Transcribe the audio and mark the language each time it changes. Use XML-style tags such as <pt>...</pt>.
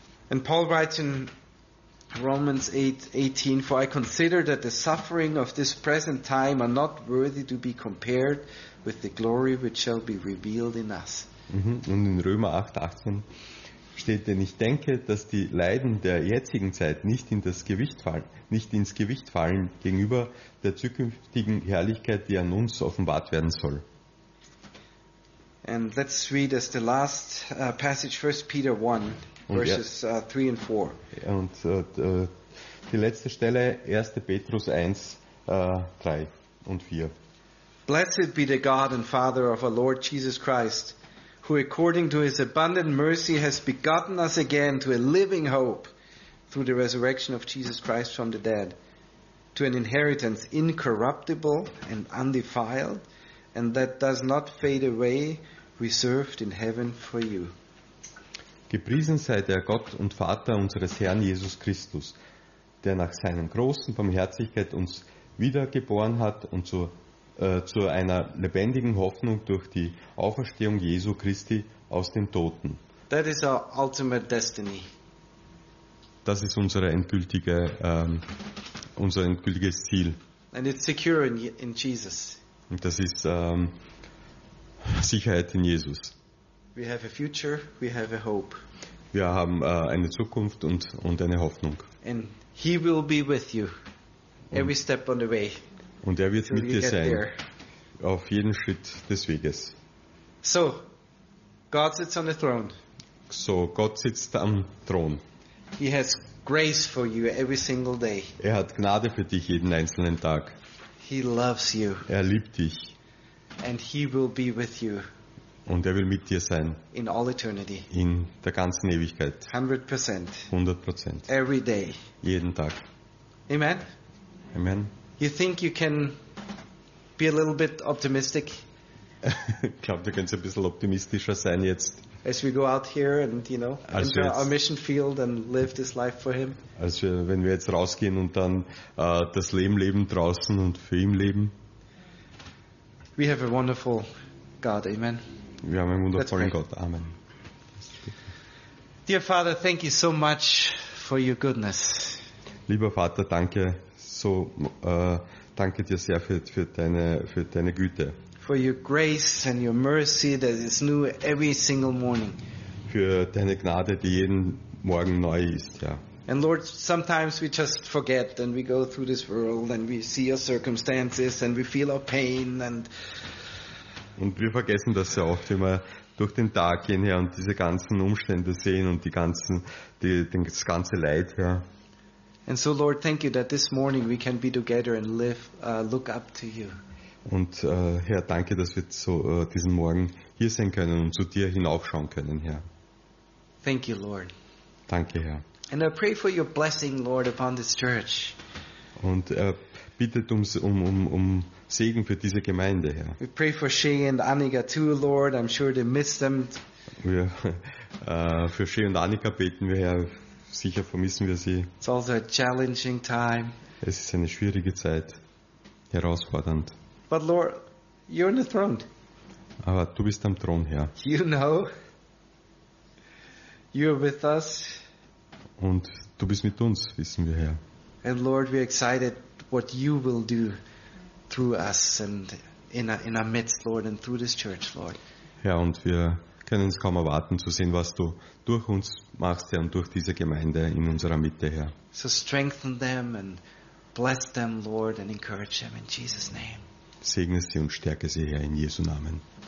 <en>And Paul writes in Romans 8:18, For I consider that the suffering of this present time are not worthy to be compared with the glory which shall be revealed in us.</en> <de>Und in Römer 8:18. Steht, denn ich denke, dass die Leiden der jetzigen Zeit nicht ins Gewicht fallen gegenüber der zukünftigen Herrlichkeit, die an uns offenbart werden soll.</de> <en>And let's read as the last passage, 1 Peter 1, verses 3 and 4.</en> <de>Und die letzte Stelle, 1. Petrus 1, 3 und 4.</de> <en>Blessed be the God and Father of our Lord Jesus Christ, who according to his abundant mercy has begotten us again to a living hope through the resurrection of Jesus Christ from the dead, to an inheritance incorruptible and undefiled, and that does not fade away, reserved in heaven for you.</en> <de>Gepriesen sei der Gott und Vater unseres Herrn Jesus Christus, der nach seinem großen Barmherzigkeit uns wiedergeboren hat und zu einer lebendigen Hoffnung durch die Auferstehung Jesu Christi aus den Toten.</de> <en>That is our ultimate destiny.</en> <de>Das ist unser endgültiges Ziel.</de> <en>And it's secure in Jesus.</en> <de>Und das ist Sicherheit in Jesus.</de> <en>We have a future, we have a hope.</en> <de>Wir haben eine Zukunft und eine Hoffnung.</de> <en>And he will be with you every step on the way.</en> <de>Und er wird mit dir sein, there. Auf jeden Schritt des Weges.</de> <en>So, God sits on the throne.</en> <de>So, Gott sitzt am Thron.</de> <en>He has grace for you every single day.</en> <de>Er hat Gnade für dich jeden einzelnen Tag.</de> <en>He loves you.</en> <de>Er liebt dich.</de> <en>And he will be with you.</en> <de>Und er will mit dir sein.</de> <en>In all eternity.</en> <de>In der ganzen Ewigkeit.</de> <en>100%.</en> <de>100%.</de> <en>Every day.</en> <de>Jeden Tag.</de> <en>Amen.</en> <de>Amen.</de> <en>You think you can be a little bit optimistic?</en> <de>Ich glaube, du kannst ein bisschen optimistischer sein jetzt.</de> <en>As we go out here and, you know,</en> <de>als</de> <en>enter our mission field and live this life for him.</en> <de>Also wenn wir jetzt rausgehen und dann das Leben leben draußen und für ihn leben.</de> <en>We have a wonderful God. Amen.</en> <de>Wir haben einen wundervollen Gott. Amen.</de> <en>Dear Father, thank you so much for your goodness.</en> <de>Lieber Vater, danke so danke dir sehr für deine Güte.</de> <en>For your grace and your mercy that is new every single morning.</en> <de>Für deine Gnade, die jeden Morgen neu ist, ja.</de> <en>And Lord, sometimes we just forget and we go through this world and we see our circumstances and we feel our pain and.</en> <de>Und wir vergessen das sehr oft, wenn wir durch den Tag gehen, ja, und diese ganzen Umstände sehen und die ganzen, das ganze Leid, ja.</de> <en>And so, Lord, thank you that this morning we can be together and live, look up to you.</en> <de>Und Herr, danke, dass wir so diesen Morgen hier sein können und zu dir hinaufschauen können, Herr.</de> <en>Thank you, Lord.</en> <de>Danke, Herr.</de> <en>And I pray for your blessing, Lord, upon this church.</en> <de>Und er bittet um Segen für diese Gemeinde, Herr.</de> <en>We pray for Shay and Annika too, Lord. I'm sure they miss them.</en> <de>Wir für Shay und Annika beten wir, Herr. Sicher vermissen wir sie.</de> <en>It's also a challenging time.</en> <de>Es ist eine schwierige Zeit, herausfordernd.</de> <en>But Lord, you're on the throne.</en> <de>Aber du bist am Thron, Herr.</de> <en>You know. You're with us.</en> <de>Und du bist mit uns, wissen wir, Herr.</de> <en>And Lord, we're excited what you will do through us and in our midst, Lord, and through this church, Lord.</en> <de>Herr, und wir können es kaum erwarten zu sehen, was du durch uns machst, Herr, und durch diese Gemeinde in unserer Mitte, Herr.</de> <en>So strengthen them and bless them, Lord, and encourage them in Jesus' name.</en> <de>Segne sie und stärke sie, Herr, in Jesu Namen.</de>